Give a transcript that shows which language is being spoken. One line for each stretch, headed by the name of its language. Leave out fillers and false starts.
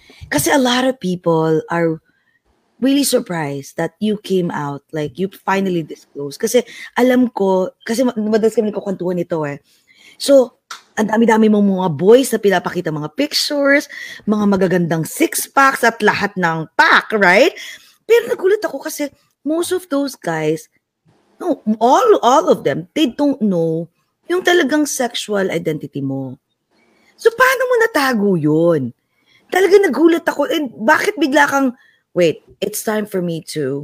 English: Kasi a lot of people are really surprised that you came out. Like, you finally disclosed.
Filipino: Kasi alam ko, kasi madalas kami nagkukwentuhan ito eh. So, ang dami-dami mong mga boys na pinapakita mga pictures, mga magagandang six-packs at lahat ng pack, right? Pero nagulat ako kasi
English: most of those guys, no, all of them, they don't know
Filipino: yung talagang
English: sexual identity mo.
Filipino: So paano mo natago yun? Talaga nagulat ako.
English: And
Filipino: bakit bigla kang,
English: wait, it's time for me to